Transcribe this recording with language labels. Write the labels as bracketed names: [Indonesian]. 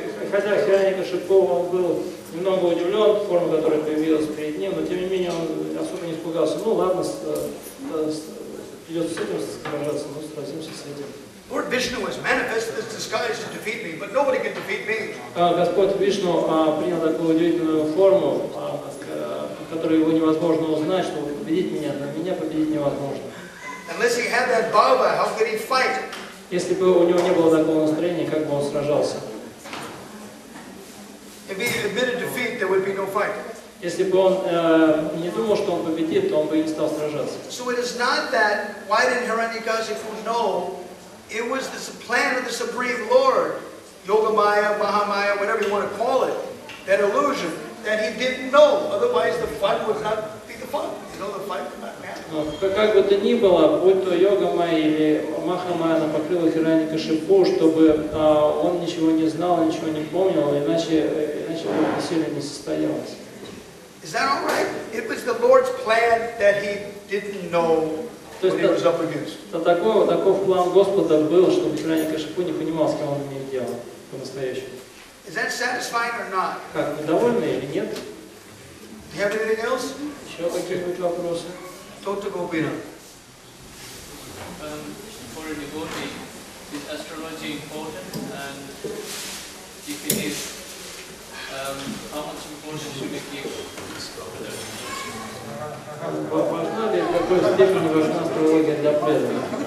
[Russian] Хотя Хиранякашипу был немного удивлен формой, которая появилась перед ним, но тем не менее он особо не испугался. Ну ладно, придется с этим сражаться, но сразимся с этим. [English] Lord Vishnu has manifested this disguise to defeat me, but nobody can defeat me. [Russian] Господь Вишну принял такую удивительную форму, которую его невозможно узнать, чтобы победить меня, но меня победить невозможно. [English] Unless he had that bhava, how could he fight? [Russian] Если бы у него не было такого настроения, как бы он сражался? [English] If he admitted defeat, there would be no fight. [Russian] Если бы он не думал, что он победит, то он бы и не стал сражаться. [English] So it is not that, why didn't Hiranyakasipu know? It was the plan of the Supreme Lord, Yoga Maya, Mahamaya, whatever you want to call it, that illusion that he didn't know. Otherwise, the fight would not be the fight. You know, the fight would not happen. [Russian] Как бы то ни было, будь то Йога Майя или Махамайя, она покрыла Хиранякашипу, чтобы он ничего не знал, ничего не помнил, иначе бы веселье не состоялось. [English] Is that all right? It was the Lord's plan that he didn't know. [Russian] То есть таков план Господа был, чтобы Хиранякашипу не понимал, с кем он имеет дело по-настоящему. [English] Is that satisfying or not? [Russian] Как, недовольны или нет? [English] Do you have anything else? [Russian] Еще какие-нибудь вопросы? Тота Гопина. [English] For a devotee, is astrology important? And if it is, how much importance should we give? [Russian] Важна ли, в какой степени важна астрология для преданных?